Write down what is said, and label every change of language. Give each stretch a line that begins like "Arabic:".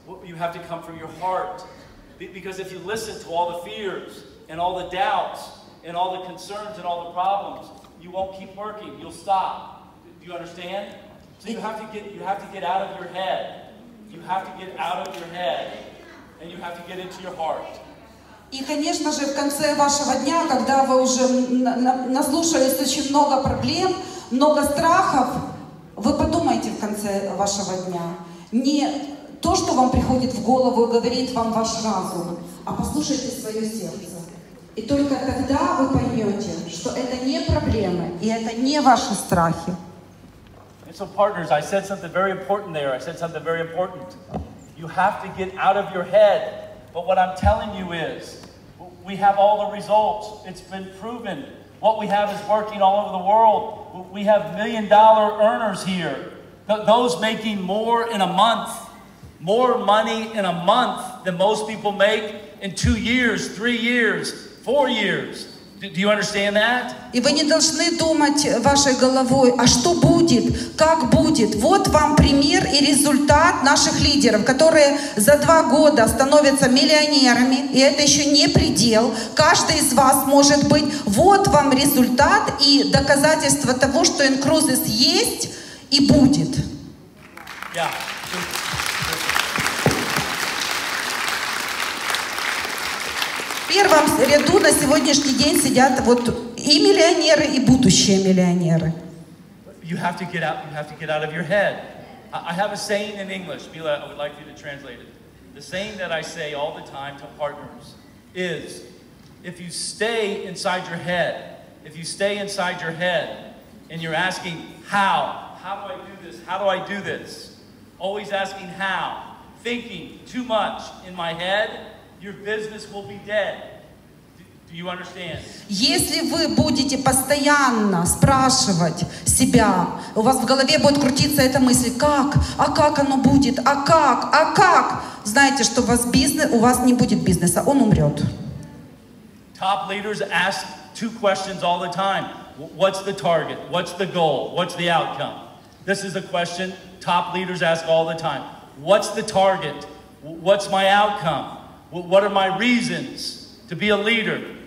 English: You have to come from your heart. Because if you listen to all the fears and all the doubts and all the concerns and all the problems, you won't keep working. You'll stop. Do you understand? So you have to get out of your head. You have to get out of your head. And you have to get into your heart.
Russian: И, конечно же, в конце вашего дня, когда вы уже наслушались очень много проблем, много страхов, вы подумайте в конце вашего дня. Не то, что вам приходит в голову и говорит вам ваш разум, а послушайте свое сердце. И только тогда вы поймете, что это не проблемы, и это не ваши страхи.
English: So partners, I said something very important there. I said something very important. You have to get out of your head. But what I'm telling you is, we have all the results. It's been proven. What we have is working all over the world. We have million-dollar earners here. Those making more in a month, more money in a month than most people make in 2 years, 3 years, 4 years. Do you understand that?
Russian: И вы не должны думать вашей головой, а что будет, как будет. Вот вам пример и результат наших лидеров, которые за 2 года становятся миллионерами, и это еще не предел. Каждый из вас может быть. Вот вам результат и доказательство того, что Incruzis есть и будет.
English: Yeah.
Russian: В первом ряду на сегодняшний день сидят вот и миллионеры, и будущие миллионеры.
English: You have to get out. You have to get out of your head. I have a saying in English, Mila. I would like you to translate it. The saying that I say all the time to partners is, if you stay inside your head, if you stay inside your head, and you're asking how do I do this? How do I do this? Always asking how, thinking too much in my head. Your business will be dead. Do you understand?
Russian: Если вы будете постоянно спрашивать себя, у вас в голове будет крутиться эта мысль, как, а как оно будет, а как, знаете, что у вас бизнес, у вас не будет бизнеса, он умрет.
English: Top leaders ask two questions all the time. What's the target? What's the goal? What's the outcome? This is a question top leaders ask all the time. What's the target? What's my outcome? What are my reasons to be a leader?